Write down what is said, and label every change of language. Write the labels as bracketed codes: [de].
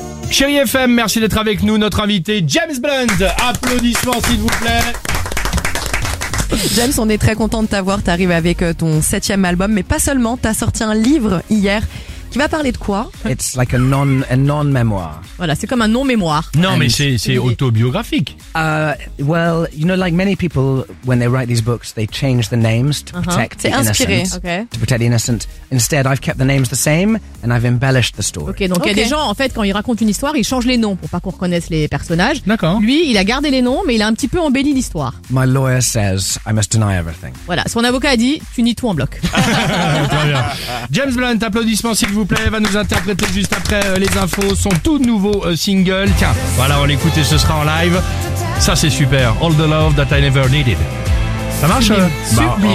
[fr] Chérie FM, merci d'être avec nous, notre invité James Blunt. Applaudissements s'il vous plaît. James, on est très content de t'avoir. T'arrives avec ton 7e album, mais pas seulement, t'as sorti un livre hier. Qui va parler de quoi? [en] It's like a non-mémoire. [fr] Voilà, c'est comme un non-mémoire. Non, mais c'est autobiographique. [en] Well, you know, like many people, when they write these books, they change the names to protect the innocent. [fr] C'est inspiré, [en] To protect the innocent. Instead, I've kept the names the same and I've embellished the story. [fr] Ok, donc il y a des gens, en fait, quand ils racontent une histoire, ils changent les noms pour pas qu'on reconnaisse les personnages. D'accord. Lui, il a gardé les noms, mais il a un petit peu embelli l'histoire. [en] My lawyer says I must deny everything. [fr] Voilà, son avocat a dit, tu nies tout en bloc. James Blunt, applaudissements s'il vous plaît. Va nous interpréter juste après les infos son tout nouveau single. Tiens, voilà, on l'écoute et ce sera en live. Ça, c'est super. All the love that I never needed. Ça marche. Sublime.